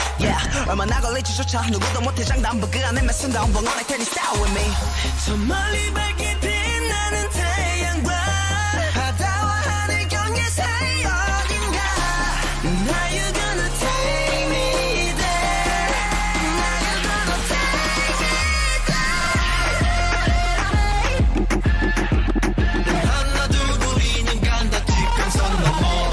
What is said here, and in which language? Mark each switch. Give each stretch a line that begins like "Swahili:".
Korean: Yeah, 얼마나 걸릴지조차 누구도 못해 장담. 그 안에 매 순간 번거로울 테니
English: stay with me.
Korean: 저 멀리 밝게 빛나는 태양과 바다와 하늘 경계 사이 어딘가.
English: Now you gonna take me there. Now you gonna take me there.
Korean: 하나 둘 우리는 간다 직관선 넘어.